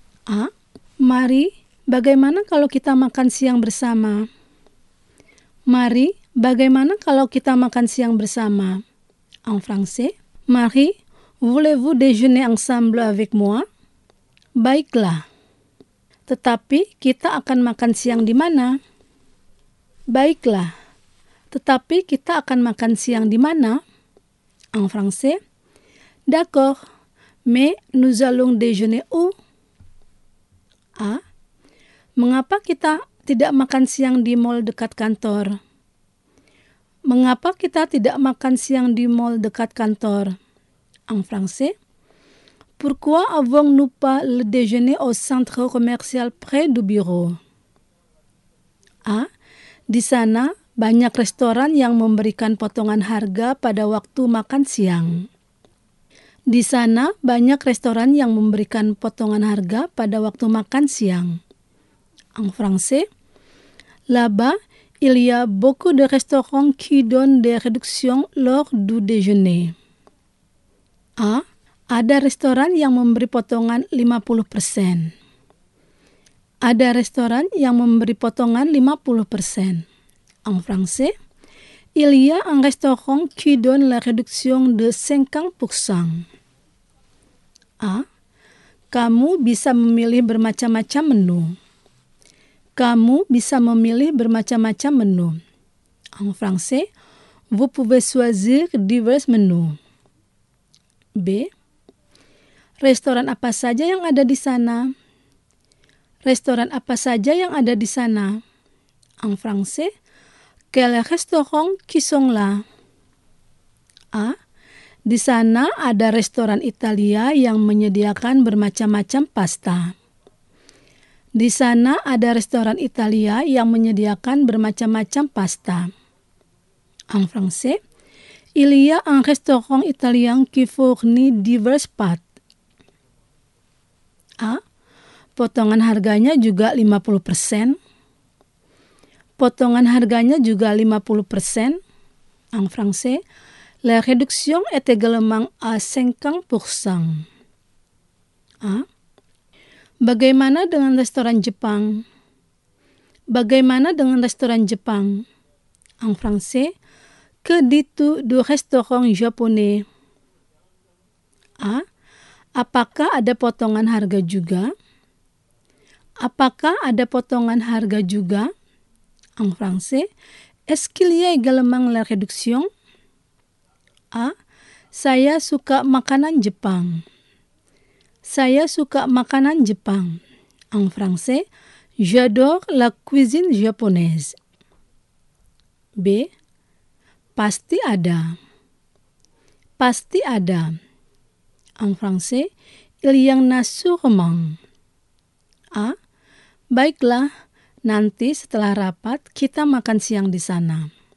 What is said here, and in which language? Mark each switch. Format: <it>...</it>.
<id>A. Marie, bagaimana kalau kita makan siang bersama? Marie. Bagaimana kalau kita makan siang bersama?</id> <fr>En français, Marie, voulez-vous déjeuner ensemble avec moi?</fr> <id>Baiklah. Tetapi kita akan makan siang di mana? Baiklah. Tetapi kita akan makan siang di mana?</id> <fr>En français, d'accord. Mais nous allons déjeuner où? A.</fr> <id>Mengapa kita tidak makan siang di mall dekat kantor? Mengapa kita tidak makan siang di mall dekat kantor?</id> <fr>En français. Pourquoi avons-nous pas le déjeuner au centre commercial près du bureau? A.</fr> <id>Di sana, banyak restoran yang memberikan potongan harga pada waktu makan siang. Di sana, banyak restoran yang memberikan potongan harga pada waktu makan siang.</id> <fr>En français. Là-bas, il y a beaucoup de restaurants qui donnent des réductions lors du déjeuner.</fr> <id>A. Ada restoran yang memberi potongan 50%. Ada restoran yang memberi potongan 50%.</id> <fr>En français. Il y a un restaurant qui donne la réduction de 50%. A.</fr> <id>Kamu bisa memilih bermacam-macam menu. Kamu bisa memilih bermacam-macam menu.</id> <fr>En français, vous pouvez choisir divers menus. B.</fr> <id>Restoran apa saja yang ada di sana? Restoran apa saja yang ada di sana?</id> <fr>En français, quels restaurants qui sont là?</fr> <id>A. Di sana ada restoran Italia yang menyediakan bermacam-macam pasta. Di sana ada restoran Italia yang menyediakan bermacam-macam pasta.</id> <fr>En français, il y a un restaurant italien qui fournit diverses pâtes.</fr> <id>A. Potongan harganya juga 50%. Potongan harganya juga 50%.</id> <fr>En français, la réduction est également à 50%. A.</fr> <id>Bagaimana dengan restoran Jepang? Bagaimana dengan restoran Jepang?</id> <fr>En français, que dit-tu du restaurant japonais? A.</fr> <id>Apakah ada potongan harga juga? Apakah ada potongan harga juga?</id> <fr>En français, est-ce qu'il y a également la réduction? A.</fr> <id>Saya suka makanan Jepang. Saya suka makanan Jepang.</id> <fr>En français, j'adore la cuisine japonaise. B.</fr> <id>Pasti ada. Pasti ada.</id> <fr>En français, il y en a sûrement.</fr> <id>A. Baiklah, nanti setelah rapat kita makan siang di sana.</id>